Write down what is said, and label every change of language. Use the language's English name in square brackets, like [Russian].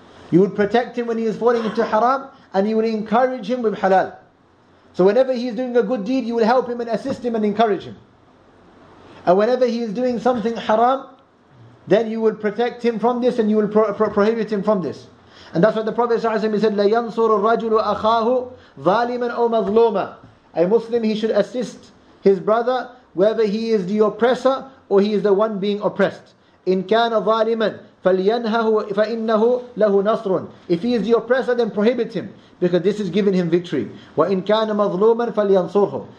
[English] You would protect him when he is falling into haram, and you will encourage him with halal. So whenever he is doing a good deed, you will help him and assist him and encourage him. And whenever he is doing something haram, then you will protect him from this and you will prohibit him from this. And that's why the Prophet ﷺ said, [Arabic] لَيَنْصُرُ الرَّجُلُ أَخَاهُ ظَالِمًا أَوْ مَظْلُومًا. [English] A Muslim, he should assist his brother, whether he is the oppressor or he is the one being oppressed. [Arabic] إِنْ كَانَ ظَالِمًا فَلْيَنْهَهُ فَإِنَّهُ لَهُ نَصْرٌ. [English] If he is the oppressor, then prohibit him, because this is giving him victory. [Arabic] وَإِنْ كَانَ مَظْلُومًا فَلْيَنْصُرْهُ.